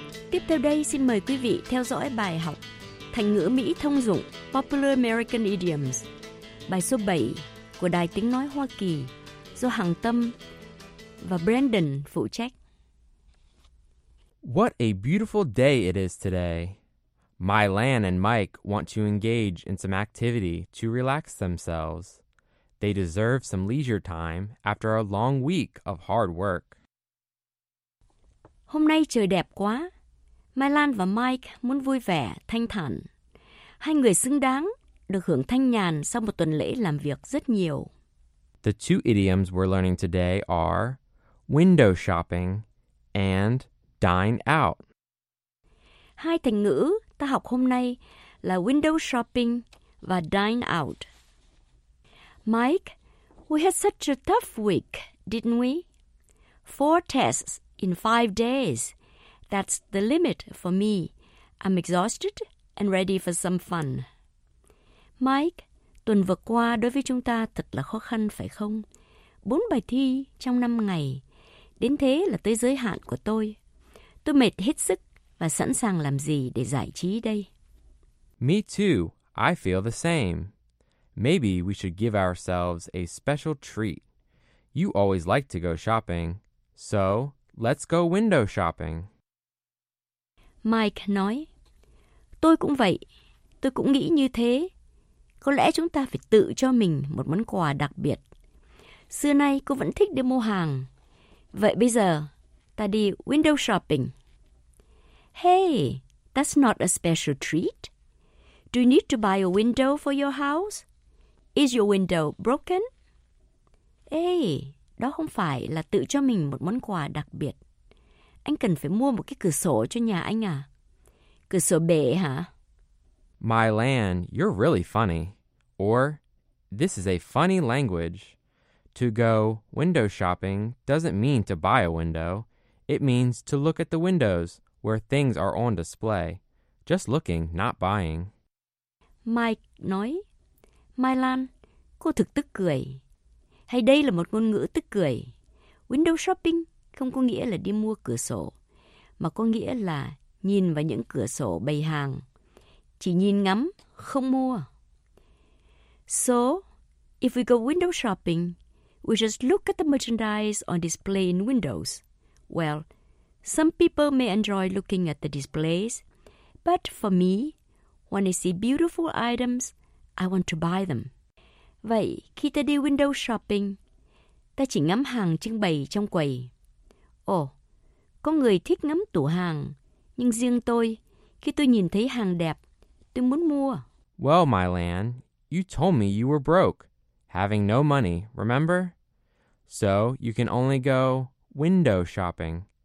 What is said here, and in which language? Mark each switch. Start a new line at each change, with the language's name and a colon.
Vietnamese: Tiếp theo đây xin mời quý vị theo dõi bài học thành ngữ Mỹ thông dụng Popular American Idioms, bài số 7 của Đài Tiếng Nói Hoa Kỳ do Hằng Tâm và Brandon phụ trách.
English: What a beautiful day it is today. Mylan and Mike want to engage in some activity to relax themselves. They deserve some leisure time after a long week of hard work.
Vietnamese: Hôm nay trời đẹp quá. Mylan và Mike muốn vui vẻ, thanh thản. Hai người xứng đáng được hưởng thanh nhàn sau một tuần lễ làm việc rất nhiều.
English: The two idioms we're learning today are window shopping and dine out.
Vietnamese: Hai thành ngữ ta học hôm nay là window shopping và dine out.
English: Mike, we had such a tough week, didn't we? 4 tests in 5 days. That's the limit for me. I'm exhausted and ready for some fun.
Vietnamese: Mike, tuần vừa qua đối với chúng ta thật là khó khăn phải không? 4 bài thi trong 5 ngày. Đến thế là tới giới hạn của tôi. Tôi mệt hết sức và sẵn sàng làm gì để giải trí đây?
English: Me too. I feel the same. Maybe we should give ourselves a special treat. You always like to go shopping. So, let's go window shopping.
Vietnamese: Mike nói, tôi cũng vậy. Tôi cũng nghĩ như thế. Có lẽ chúng ta phải tự cho mình một món quà đặc biệt. Xưa nay, cô vẫn thích đi mua hàng. Vậy bây giờ, ta đi window shopping.
English: Hey, that's not a special treat. Do you need to buy a window for your house? Is your window broken?
Vietnamese: Hey, đó không phải là tự cho mình một món quà đặc biệt. Anh cần phải mua một cái cửa sổ cho nhà anh à? Cửa sổ bể hả?
English: Mylan, you're really funny. Or, this is a funny language. To go window shopping doesn't mean to buy a window. It means to look at the windows where things are on display. Just looking, not buying.
Vietnamese: Mike nói, Mylan, cô thực tức cười. Hay đây là một ngôn ngữ tức cười. Window shopping không có nghĩa là đi mua cửa sổ, mà có nghĩa là nhìn vào những cửa sổ bày hàng. Chỉ nhìn ngắm, không mua.
English: So, if we go window shopping, we just look at the merchandise on display in windows. Well, some people may enjoy looking at the displays, but for me, when I see beautiful items, I want to buy them.
Vietnamese: Vậy, khi ta đi window shopping, ta chỉ ngắm hàng trưng bày trong quầy. Ồ, có người thích ngắm tủ hàng, nhưng riêng tôi, khi tôi nhìn thấy hàng đẹp, tôi muốn mua.
English: Well, Mylan, you told me you were broke, having no money, remember? So, you can only go window shopping.